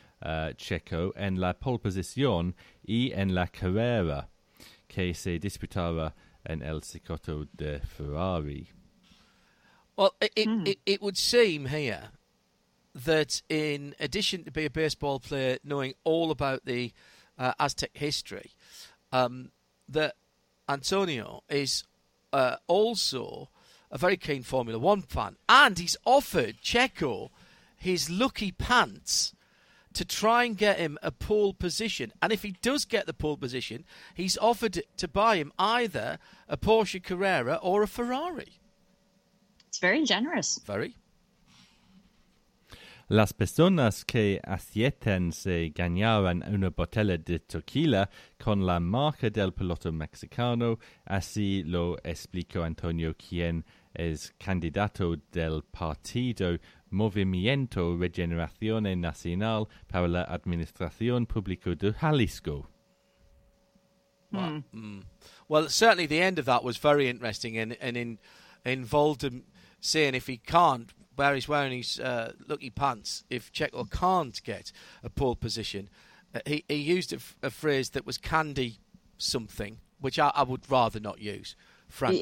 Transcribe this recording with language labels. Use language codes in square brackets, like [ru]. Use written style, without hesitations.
[es] Checo en la pole position y en la carrera que se disputaba en el circuito de Ferrari. [en] Well, it would seem here that in addition to being a baseball player, knowing all about the Aztec history, that Antonio is also a very keen Formula One fan, and he's offered Checo his lucky pants to try and get him a pole position. And if he does get the pole position, he's offered to buy him either a Porsche Carrera or a Ferrari. It's very generous. Very. [es] Las personas que acierten se ganaran una botella de tequila con la marca del piloto mexicano. Así lo explicó Antonio, quien es candidato del partido Movimiento Regeneración Nacional para la Administración Pública de Jalisco. [en] Well, certainly the end of that was very interesting and involved him saying if he can't, where he's wearing his lucky pants, if Checo can't get a pole position. He used a phrase that was candy something, which I would rather not use, frankly.